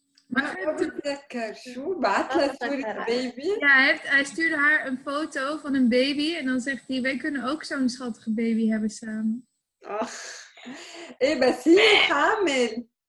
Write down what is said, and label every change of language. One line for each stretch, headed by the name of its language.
Arabic: ما بتذكر شو بعت لها صورة بيبي.
Dutch: Yeah, I stuurde haar een foto van een baby en dan zegt hij wij kunnen ook zo'n schattige baby hebben samen.
Arabic: Ach, ايه بس هي حامل.